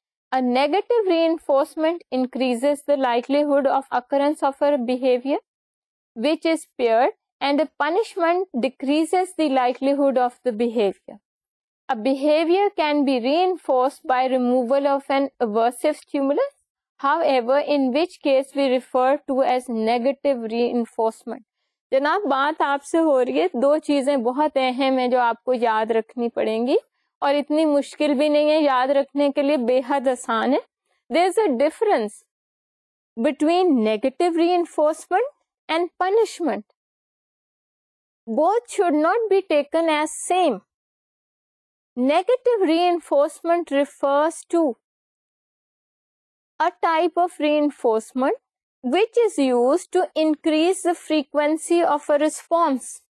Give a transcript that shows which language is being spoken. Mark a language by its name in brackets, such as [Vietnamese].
[English] A negative reinforcement increases the likelihood of occurrence of a behavior which is paired, and a punishment decreases the likelihood of the behavior. A behavior can be reinforced by removal of an aversive stimulus. However, in which case we refer to as negative reinforcement. [Urdu] جناب بات آپ سے ہو رہی ہے دو چیزیں بہت اہم ہیں جو آپ کو یاد رکھنی پڑیں گی اور اتنی مشکل بھی نہیں ہے یاد رکھنے کے لیے بے حد آسان ہے. [English] There is a difference between negative reinforcement and punishment. Both should not be taken as same. Negative reinforcement refers to a type of reinforcement which is used to increase the frequency of a response.